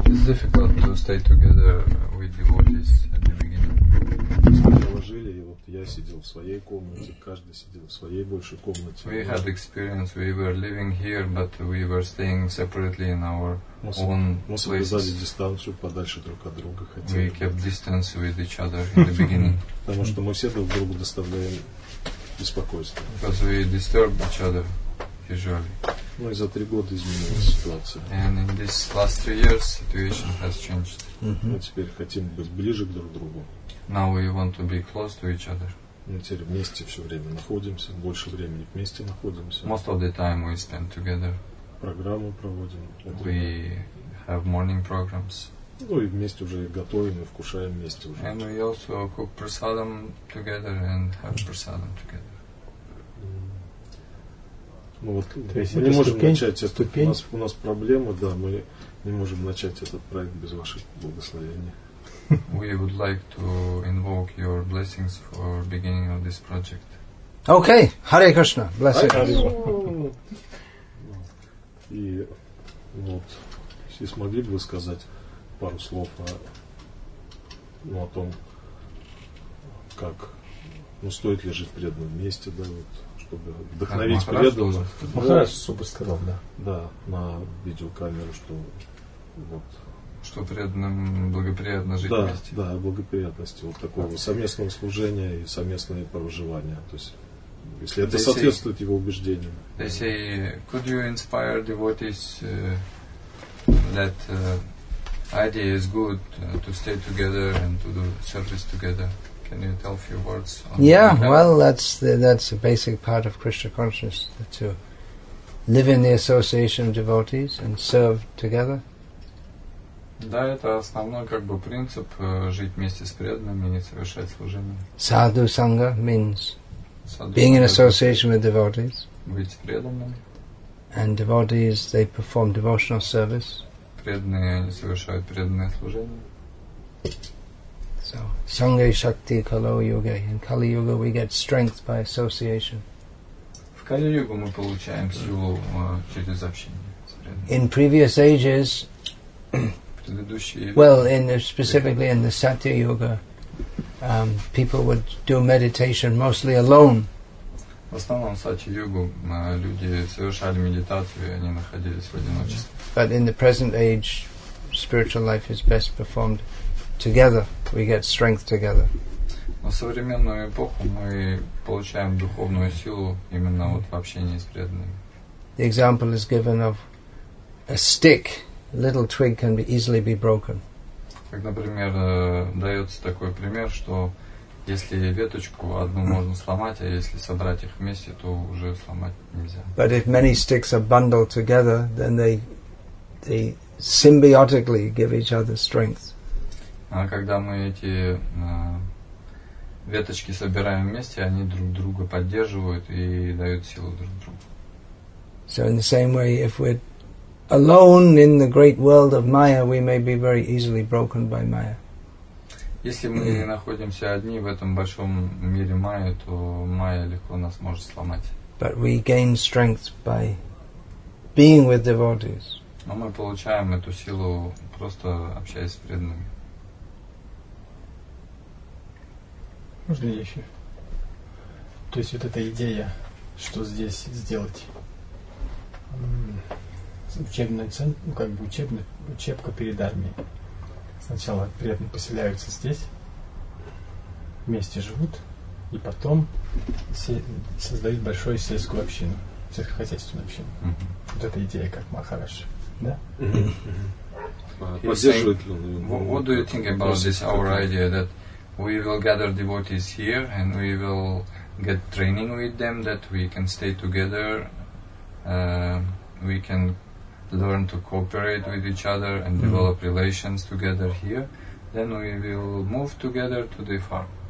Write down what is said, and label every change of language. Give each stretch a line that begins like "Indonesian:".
English: It's difficult to stay together with devotees at the beginning.
Russian: Мы жили, и вот я сидел в своей комнате, каждый сидел в своей большой комнате.
English: We had experience, we were living here, but we were staying separately in our own places.
Russian: Мы соблюдали дистанцию, подальше друг от друга хотели.
English: We kept distance with each other in the beginning.
Russian: Потому что мы все друг другу доставляем беспокойство.
English: Because we disturbed each other usually.
Russian: Ну и за три года изменилась ситуация.
English: And in these last 3 years, situation has changed. Mm-hmm.
Russian: Мы теперь хотим быть ближе к друг другу.
English: Now we want to be close to each other.
Russian: Мы теперь вместе все время находимся, больше времени вместе находимся.
English: Most of the time we spend together.
Russian: Программу проводим.
English: We have morning programs.
Russian: Ну и вместе уже готовим и вкушаем вместе уже.
English: And we also cook prasadam together and have prasadam together.
Russian: Ну вот, мы не можем начать эту ступень. У нас проблема, да, мы не можем начать этот проект без вашего благословения.
English: We would like to invoke your blessings for beginning of this project. Okay, Hare Krishna, bless you. Hare.
Russian: И вот, если смогли бы вы сказать пару слов о том, как, ну стоит ли жить в преданном месте, да, вот. Чтобы вдохновить преданных. Махарадж супер сказал, да. Да, на видеокамеру, что вот. Что преданным благоприятно жить вместе. Да, да, благоприятности вот такого совместного служения и совместного проживания. То есть, если это соответствует его убеждениям.
English: They say, could you inspire devotees that idea is good to stay together and to do service together? Can you tell a few words on that? Yeah, well, that's a basic part of Krishna consciousness, to live in the association of devotees and serve together.
Russian: Да, это основной как бы принцип жить вместе с преданными и совершать служение.
English: Sadhu sangha means being in association with devotees.
Russian: Быть преданными.
English: And devotees, they perform devotional service.
Russian: Преданные, они совершают преданное служение.
English: So, Sangha Shakti Kalo Yuga. In Kali Yuga, we get strength by association.
Russian: В Кали Юге мы получаем силу через общение.
English: In previous ages, well, in specifically in the Satya Yuga, people would do meditation mostly alone.
Russian: В основном в Сатья Югу люди совершали медитацию, они находились в одиночестве.
English: But in the present age, spiritual life is best performed together, we get strength together.
Russian: Но в современную эпоху мы получаем духовную силу именно вот в общении с преданными.
English: The example is given of a stick. A little twig can be easily be broken.
Russian: Как, например, дается такой пример, что если веточку одну можно сломать, а если собрать их вместе, то уже сломать нельзя.
English: But if many sticks are bundled together, then they symbiotically give each other strength.
Russian: А когда мы эти веточки собираем вместе, они друг друга поддерживают и дают силу друг другу.
English: So in the same way, if we're alone in the great world of Maya, we may be very easily broken by Maya.
Russian: Если мы находимся одни в этом большом мире Майя, то Майя легко нас может сломать.
English: But we gain strength by being with devotees.
Russian: Но мы получаем эту силу, просто общаясь с преданными. Можно еще? То есть вот эта идея, что здесь сделать. Учебный центр, ну как бы учебка перед армией. Сначала преданные поселяются здесь, вместе живут, и потом создают большую сельскую общину, сельскохозяйственную общину. Mm-hmm. Вот эта идея как Махарадж, да?
English: What do you think about this, our idea that we will gather devotees here and we will get training with them that we can stay together, we can learn to cooperate with each other and develop relations together here, then we will move together to the farm.